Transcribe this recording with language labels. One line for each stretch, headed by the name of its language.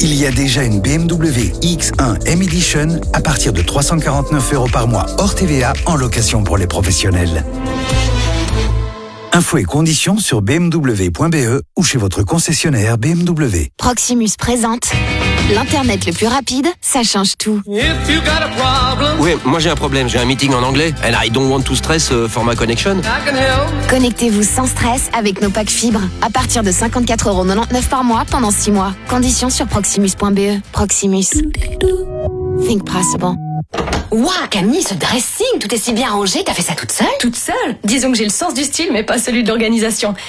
French: Il y a déjà une BMW X1 M Edition à partir de 349€ par mois hors TVA en location pour les professionnels. Infos et conditions sur bmw.be ou chez votre concessionnaire BMW. Proximus présente. L'internet le plus rapide, ça change tout.
English: If you got a problem.
French: Oui, moi j'ai un problème, j'ai un meeting en anglais.
English: And I don't want to stress for my connection.
French: Connectez-vous sans stress avec nos packs fibres. À partir de 54,99€ par mois pendant 6 mois. Conditions sur proximus.be. Proximus. Think possible. Waouh, Camille, ce dressing, tout est si bien rangé, t'as fait ça toute seule ? Toute seule ? Disons que j'ai le sens du style, mais pas celui de l'organisation.